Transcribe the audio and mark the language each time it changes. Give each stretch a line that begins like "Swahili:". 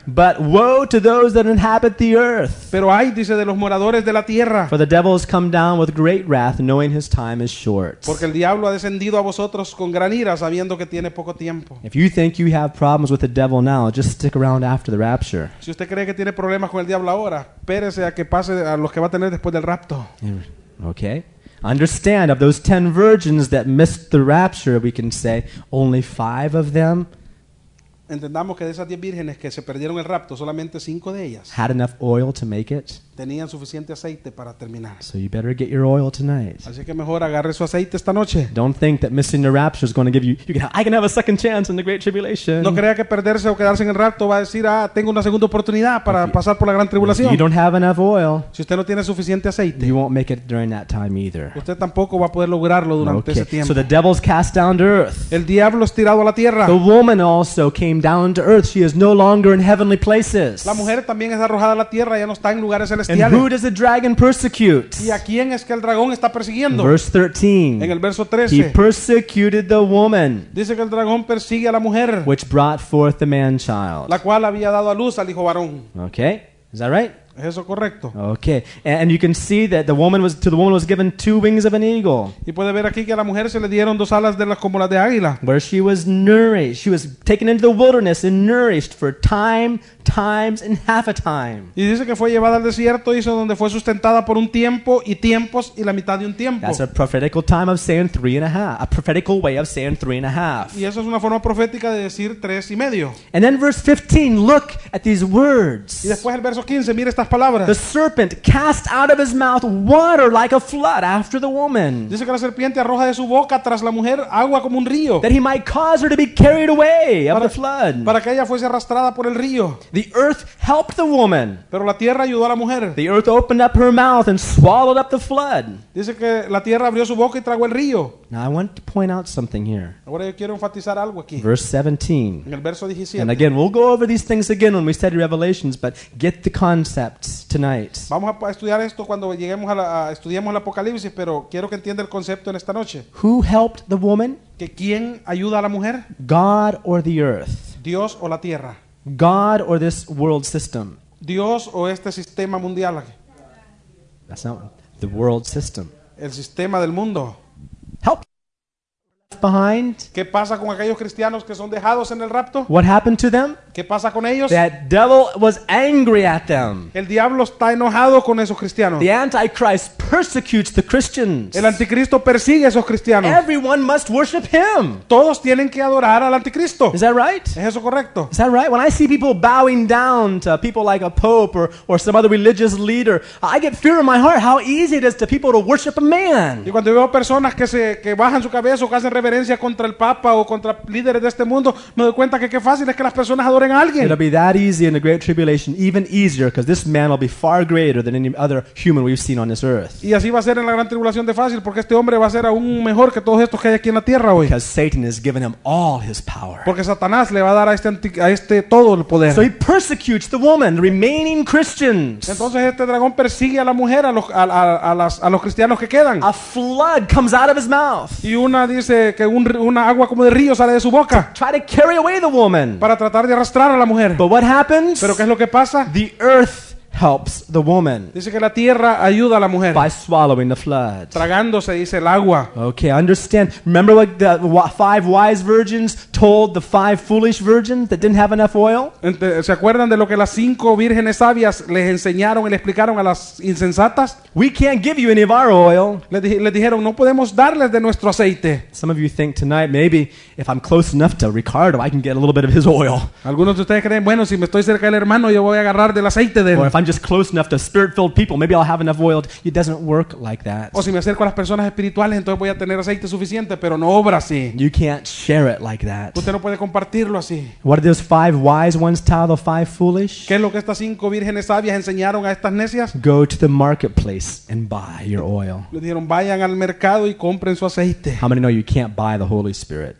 English: But woe to those that inhabit the earth.
Spanish: Pero ay, dice, de los moradores de la tierra.
English: For the devil has come down with great wrath, knowing his time is short.
Spanish: Porque el diablo ha descendido a vosotros con gran ira, sabiendo que tiene poco tiempo.
English: If you think you have problems with the devil now, just stick around after the rapture.
Spanish: Si usted cree que tiene problemas con el diablo ahora, espérese a que pase a los que va a tener después del rapto.
English: Okay. Understand, of those 10 virgins that missed the rapture, we can say only 5 of them.
Spanish: Entendamos que de esas 10 vírgenes que se perdieron el rapto, solamente 5 de ellas
English: had enough oil to make it.
Spanish: Tenían suficiente aceite para terminar.
English: So you better get your oil tonight.
Spanish: Así que mejor agarre su aceite esta noche.
English: Don't think that missing the rapture is going to give you, I can have a second chance in the great tribulation.
Spanish: No crea que perderse o quedarse en el rapto va a decir, ah, tengo una segunda oportunidad para pasar por la gran tribulación.
English: You don't have enough oil.
Spanish: Si usted no tiene suficiente aceite,
English: you won't make it during that time either.
Spanish: Usted tampoco va a poder lograrlo durante
English: okay.
Spanish: ese tiempo.
English: So the devil's cast down to earth.
Spanish: El diablo es tirado a la tierra.
English: The woman also came down to earth. She is no longer in heavenly places.
Spanish: La mujer también es arrojada a la tierra, ya no está en lugares celestiales.
English: And who does the dragon persecute?
Spanish: ¿Y a quién es que el dragón está persiguiendo?
English: Verse 13.
Spanish: En el verso 13.
English: He persecuted the woman.
Spanish: Dice que el dragón persigue a la mujer.
English: Which brought forth the man child.
Spanish: La cual había dado a luz al hijo varón.
English: Okay. Is that right?
Spanish: ¿Es eso correcto?
English: Okay. And you can see that the woman was given 2 wings of an eagle.
Spanish: Y puede ver aquí que a la mujer se le dieron 2 alas de las como las de águila.
English: Where she was nourished. She was taken into the wilderness and nourished for time, times and half a time.
Spanish: Y dice que fue llevada al desierto y eso donde fue sustentada por un tiempo y tiempos y la mitad de un tiempo.
English: That's a prophetic time of saying 3.5. A prophetic way of saying 3.5.
Spanish: Y eso es una forma profética de decir 3.5.
English: And then verse 15, look at these words.
Spanish: Y después el verso 15, mire estas palabras.
English: The serpent cast out of his mouth water like a flood after the woman.
Spanish: Dice que la serpiente arroja de su boca tras la mujer agua como un río.
English: That he might cause her to be carried away of the flood.
Spanish: Para que ella fuese arrastrada por el río.
English: The earth helped the woman.
Spanish: Pero la tierra ayudó a la mujer.
English: The earth opened up her mouth and swallowed up the flood.
Spanish: Dice que la tierra abrió su boca y tragó el río.
English: Now I want to point out something here.
Spanish: Ahora yo quiero enfatizar algo aquí.
English: Verse 17.
Spanish: En el verso 17.
English: And again, we'll go over these things again when we study Revelations, but get the concept tonight.
Spanish: Vamos a estudiar esto cuando lleguemos a estudiemos el Apocalipsis, pero quiero que entienda el concepto en esta noche.
English: Who helped the woman?
Spanish: ¿Que quién ayuda a la mujer?
English: God or the earth?
Spanish: Dios o la tierra.
English: God or this world system?
Spanish: Dios o este sistema mundial.
English: That's not the world system.
Spanish: El sistema del mundo.
English: Help. Behind.
Spanish: ¿Qué pasa con aquellos cristianos que son dejados en el rapto?
English: What happened to them?
Spanish: ¿Qué pasa con ellos?
English: The devil was angry at them.
Spanish: El diablo está enojado con esos cristianos.
English: The antichrist persecutes the Christians.
Spanish: El anticristo persigue a esos cristianos.
English: Everyone must worship him.
Spanish: Todos tienen que adorar al anticristo.
English: Is that right?
Spanish: ¿Es eso correcto?
English: Is that right? When I see people bowing down to people like a pope or some other religious leader, I get fear in my heart how easy it is to people to worship a man.
Spanish: Y cuando veo personas que bajan su cabeza o que hacen reverencia reverencia contra el Papa o contra líderes de este mundo, me doy cuenta que qué fácil es que las personas adoren a alguien.
English: It'll be that easy in the great tribulation, even easier, because this man will be far greater than any other human we've seen on this earth.
Spanish: Y así va a ser en la gran tribulación de fácil, porque este hombre va a ser aún mejor que todos estos que hay aquí en la tierra hoy.
English: Because Satan has given him all his power.
Spanish: Porque Satanás le va a dar a este todo el poder.
English: So he persecutes the woman, the remaining Christians.
Spanish: Entonces este dragón persigue a la mujer, a los cristianos que quedan.
English: A flood comes out of his mouth.
Spanish: Y una dice que una agua como de río sale de su boca.
English: Try to carry away the woman.
Spanish: Para tratar de arrastrar a la mujer.
English: But what happens?
Spanish: Pero ¿qué es lo que pasa?
English: The earth helps the woman.
Spanish: Dice que la tierra ayuda a la mujer.
English: By swallowing the flood.
Spanish: Tragándose, dice, el agua.
English: Okay, understand. Remember what the five wise virgins told the five foolish virgins that didn't have enough oil?
Spanish: ¿Se acuerdan de lo que las cinco vírgenes sabias les enseñaron y les explicaron a las insensatas?
English: We can't give you any of our oil.
Spanish: Les dijeron, no podemos darles de nuestro aceite.
English: Some of you think tonight, maybe if I'm close enough to Ricardo, I can get a little bit of his oil.
Spanish: Algunos de ustedes creen, bueno, si me estoy cerca del hermano, yo voy a agarrar del aceite de él.
English: If I'm just close enough to spirit-filled people, maybe I'll have enough oil. It doesn't work like that.
Spanish: O si me acerco a las personas espirituales, entonces voy a tener aceite suficiente, pero no obra así.
English: You can't share it like that.
Spanish: Usted no puede compartirlo así.
English: What did those five wise ones tell the five foolish?
Spanish: ¿Qué es lo que estas cinco vírgenes sabias enseñaron a estas necias?
English: Go to the marketplace and buy your oil.
Spanish: Le dijeron, vayan al mercado y compren su aceite.
English: How many know you can't buy the Holy Spirit?